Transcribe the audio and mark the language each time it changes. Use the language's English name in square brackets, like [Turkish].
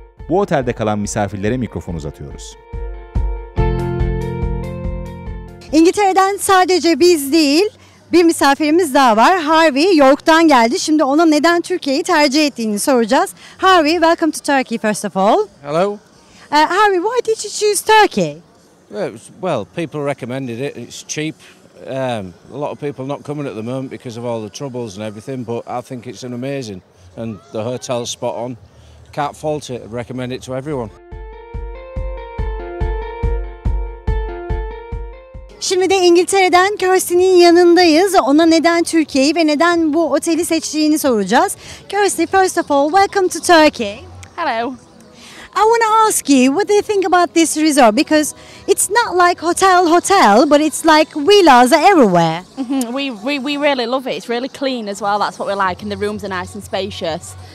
[Turkish] Bu otelde kalan misafirlere mikrofon uzatıyoruz. İngiltere'den sadece biz değil, bir misafirimiz daha var. Harvey York'tan geldi. Şimdi ona neden Türkiye'yi tercih ettiğini soracağız. [English] Harvey, welcome to Turkey first of all. Hello. Harvey, why did you choose Turkey? Well, people recommended it. It's cheap. A lot of people not coming at the moment because of all the troubles and everything, but I think it's an amazing and the hotel's spot on. Can't fault it. I'd recommend it to everyone. [Turkish] Şimdi de İngiltere'den Kirsty'nin yanındayız. Ona neden Türkiye'yi ve neden bu oteli seçtiğini soracağız. [English] Kirsty, first of all, welcome to Turkey. Hello. I want to ask you, what do you think about this resort? Because it's not like hotel, but it's like villas everywhere. We really love it. It's really clean as well. That's what we like. And the rooms are nice and spacious.